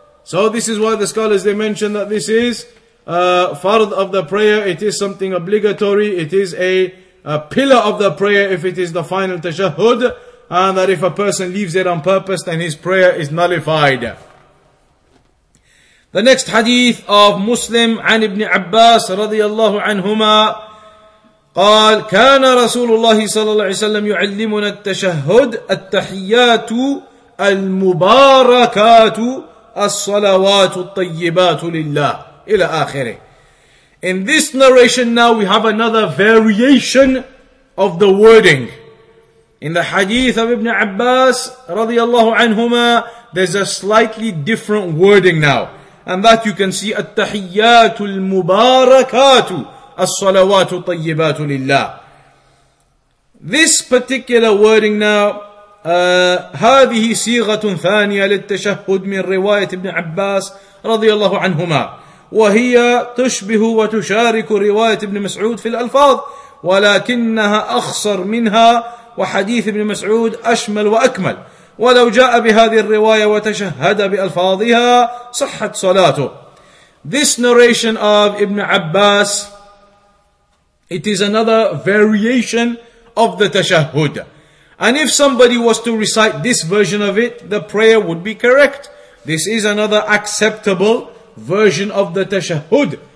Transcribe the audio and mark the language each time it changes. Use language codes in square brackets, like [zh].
[en] So this is why the scholars, they mention that this is fard of the prayer. It is something obligatory. It is a pillar of the prayer if it is the final tashahhud. And that if a person leaves it on purpose, then his prayer is nullified. The next hadith of Muslim, [ar] عن ابن عباس رضي الله عنهما قال, كان رسول الله صلى الله عليه وسلم يعلمنا التشهد التحيات المباركات الصلوات الطيبات لله إلى آخره. [en] In this narration now we have another variation of the wording. In the hadith of Ibn Abbas radiyallahu anhuma, there's a slightly different wording now. And that you can see, [ar] التحياتُ المباركاتُ الصلواتُ طيباتُ لله. [en] This particular wording now, [ar] هذه صيغة ثانية للتشهد من رواية ابن عباس radiyallahu anhuma. وهي تشبه وتشارك رواية ابن مسعود في الألفاظ, ولكنها أخصر منها, وحديث ابن مسعود أشمل وأكمل, ولو جاء بهذه الرواية وتشهد بألفاظها صحت صلاته. [en] This narration of Ibn Abbas, it is another variation of the tashahhud. And if somebody was to recite this version of it, the prayer would be correct. This is another acceptable version of the tashahhud.